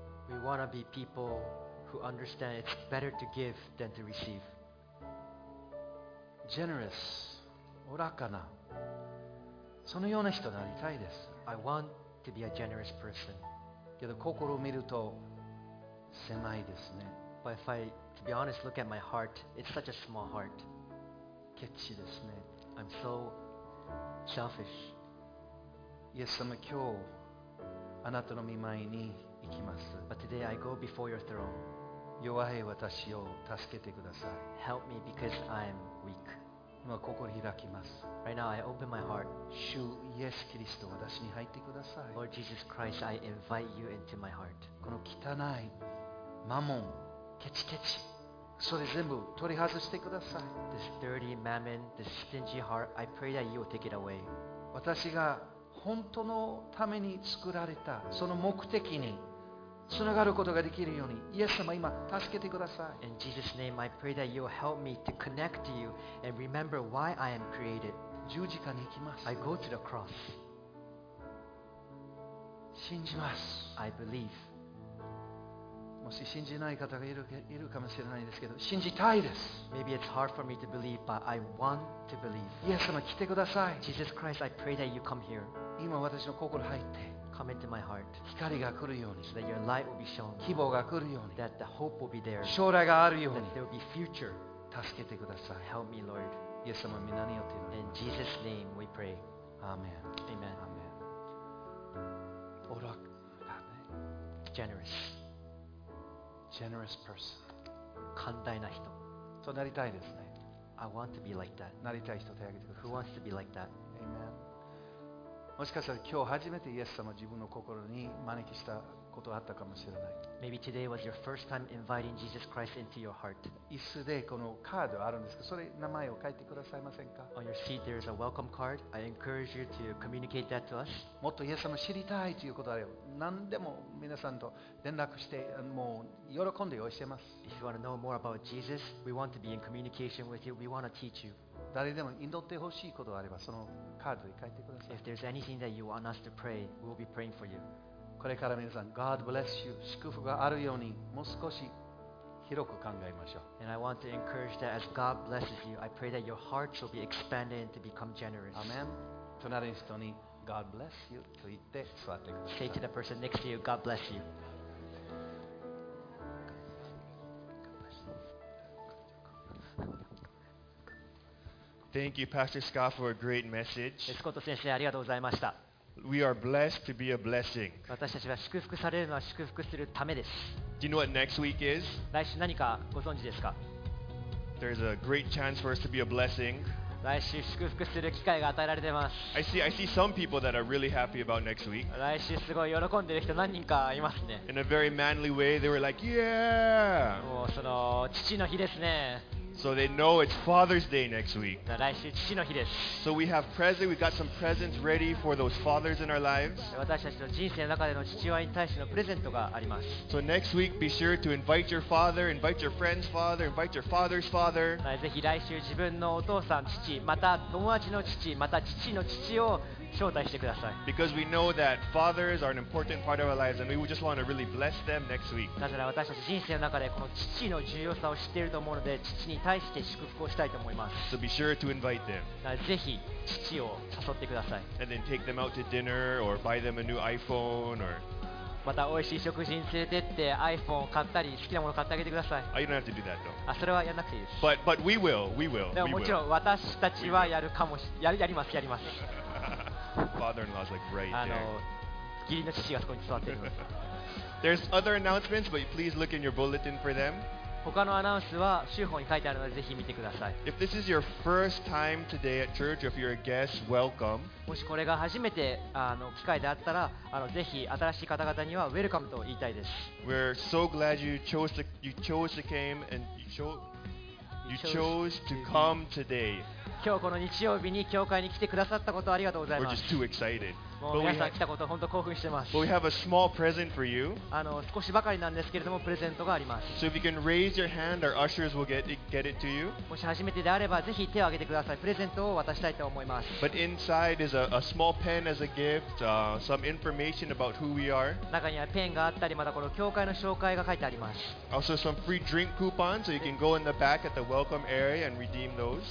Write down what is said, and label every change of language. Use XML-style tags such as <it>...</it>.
<en>We want to be people who understand it's better to give than to receive. Generous, orakana.</en> <ja>そのような人になりたいです。</ja> <en>I want to be a generous person.</en> <ja>けど心を見ると狭いですね。</ja> <en>But if I, to be honest, look at my heart, it's such a small heart.</en> <ja>ケチですね。</ja> <en>I'm so selfish.</en> <ja>イエス様、今日あなたの御前に行きます。</ja> <en>But today I go before your throne.</en> <ja>弱い私を助けてください。</ja> <en>Help me because I'm weak.</en> <ja>今心開きます。</ja> <en>Right now I open my heart.</en> <ja>主イエスキリスト私に入ってください。</ja> <en>Lord Jesus Christ, I invite you into my heart.</en> <ja>この汚いマモン、ケチケチ、それ全部取り外してください。</ja> <en>This dirty mammon, this stingy heart, I pray that you will take it away.</en> <ja>私が本当のために作られたその目的に。つながることができるように、イエス様今助けてください。</ja> <en>In Jesus' name, I pray that you'll help me to connect to you and remember why I am created.</en> <ja>十字架に行きます。</ja> <en>I go to the cross.</en> <ja>信じます。</ja> <en>I believe.</en> <ja>もし信じない方がいるかもしれないですけど、信じたいです。</ja> <en>Maybe it's hard for me to believe, but I want to believe.</en> <ja>イエス様来てください。</ja> <en>Jesus Christ, I pray that you come here.</en> <ja>今私の心入って。</ja> <en>Come into my heart.</en> <ja>光が来るように、</ja> <en>so、that your light will be shown.</en> <ja>希望が来るように、</ja> <en>that the hope will be there.</en> <ja>将来があるように、</ja> <en>that there will be future.</en> <ja>助けてください。</ja> <en>Help me, Lord.</en> <ja>イエス様、皆によって祈ります。</ja> <en>In Jesus' name we pray. Amen. Amen. Amen. おらだね。 Generous. Generous person.</en> <ja>寛大な人。そうなりたいですね。</ja> <en>I want to be like that.</en> <ja>なりたい人手挙げてください。</ja> <en>Who wants to be like that? Amen.</en> <ja>もしかしたら今日初めてイエス様を自分の心に招きしたことがあったかもしれない。</ja> <en>Maybe today was your first time inviting Jesus Christ into your heart.</en> <ja>椅子でこのカードあるんですけど、それ名前を書いてくださいませんか。</ja> <en>On your seat there is a welcome card. I encourage you to communicate that to us.</en> <ja>もっとイエス様を知りたいということあれば、何でも皆さんと連絡して、もう喜んで用意してます。</ja> <en>If you want to know more about Jesus, we want to be in communication with you. We want to teach you.</en> <ja>誰でも祈ってほしいことがあればそのカードに書いてください。</ja> <en>If there's anything that you want us to pray, we'll be praying for you.</en> <ja>これから皆さん、</ja> <en>God bless you.</en> <ja>祝福があるようにもう少し広く考えましょう。</ja> <en>And I want to encourage that as God blesses you, I pray that your heart will be expanded and to become generous.</en> <ja>Amen. 隣の人に</ja> <en>God bless you</en> <ja>と言って座ってください。</ja> <en>Say to the person next to you, God bless you. Thank you, Pastor Scott, for a great message.</en> <ja>スコット先生、ありがとうございました。</ja> <en>We are blessed to be a blessing.</en> <ja>私たちは祝福されるのは祝福するためです。</ja> <en>Do you know what next week is?</en> <ja>来週何かご存知ですか?</ja> <en>There's a great chance for us to be a blessing.</en> <ja>来週祝福する機会が与えられています。</ja> <en>I see some people that are really happy about next week.</en> <ja>来週すごい喜んでる人何人かいますね。</ja> <en>In a very manly way, they were like, yeah!</en> <ja>もうその父の日ですね。</ja> <en>So they know it's Father's Day next week.</en> <ja>来週父の日です。</ja> <en>So we have presents. We've got some presents ready for those fathers in our lives.</en> <ja>私たちの人生の中での父親に対してのプレゼントがあります。</ja> <en>So next week, be sure to invite your father, invite your friend's father, invite your father's father.</en> <ja>ぜひ来週自分のお父さん、父、また友達の父、また父の父を招待してください。</ja> <en>Because we know that fathers are an important part of our lives, and we just want to really bless them next week.</en> <ja>なぜなら私たち人生の中でこの父の重要さを知っていると思うので、父に対して祝福をしたいと思います。</ja> <en>So be sure to invite them.</en> <ja>ぜひ父を誘ってください。</ja> <en>And then take them out to dinner or buy them a new iPhone or.</en> <ja>また美味しい食事に連れてって iPhone を買ったり好きなものを買ってあげてください。</ja> <en>Oh, you don't have to do that, though.</en> <ja>あ、それはやらなくていいです。</ja> <en>But we will, we will.</en> <ja>でももちろん私たちはやるかもし、やります、やります。</ja> <en>Father-in-law is like right there.</en> <ja>義理の父がそこに座っている。</ja> <en>There's other announcements, but please look in your bulletin for them.</en> <ja>他のアナウンスは週報に書いてあるのでぜひ見てください。</ja> <en>If this is your first time today at church, if you're a guest, welcome.</en> <ja>もしこれが初めてあの機会であったら、ぜひ新しい方々にはウェルカムと言いたいです。</ja> <en>We're so glad you chose to come today.</en> <ja>今日この日曜日に教会に来てくださったことをありがとうございます。</ja> <en>We're just too excited.</en> <ja>もう皆さん来たこと本当興奮してます。</ja> <en>But we have a small present for you.</en> <ja>少しばかりなんですけれどもプレゼントがあります。</ja> <en>So if you can raise your hand, our ushers will get it to you.</en> <ja>もし初めてであればぜひ手を挙げてください。プレゼントを渡したいと思います。</ja> <en>But inside is a small pen as a gift, some information about who we are.</en> <ja>中にはペンがあったり、またこの教会の紹介が書いてあります。</ja> <en>Also some free drink coupons, so you can go in the back at the welcome area and redeem those.</en>